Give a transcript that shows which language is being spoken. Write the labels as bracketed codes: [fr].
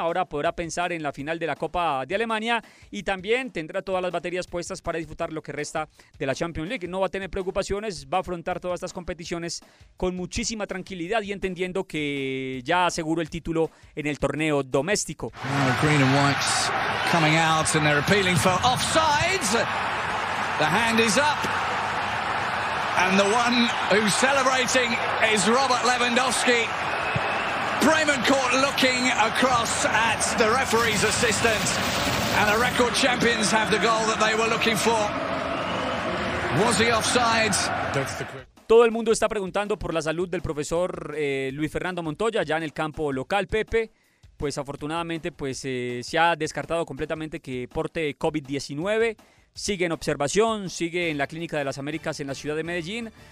[es] Ahora podrá pensar en la final de la Copa de Alemania y también tendrá todas las baterías puestas para disfrutar lo que resta de la Champions League. No va a tener preocupaciones, va a afrontar todas estas competiciones con muchísima tranquilidad y entendiendo que ya aseguró el título en el torneo doméstico. [en] Green and White coming out and they're appealing for offsides. The hand is up. And the one who's celebrating is Robert Lewandowski. Bremen caught looking across at the referee's assistant, and the record champions have the goal that they were looking for. Was he offside? [es] Todo el mundo está preguntando por la salud del profesor Luis Fernando Montoya, ya en el campo local, Pepe. pues afortunadamente pues se ha descartado completamente que porte COVID-19. Sigue en observación, sigue en la Clínica de las Américas en la ciudad de Medellín.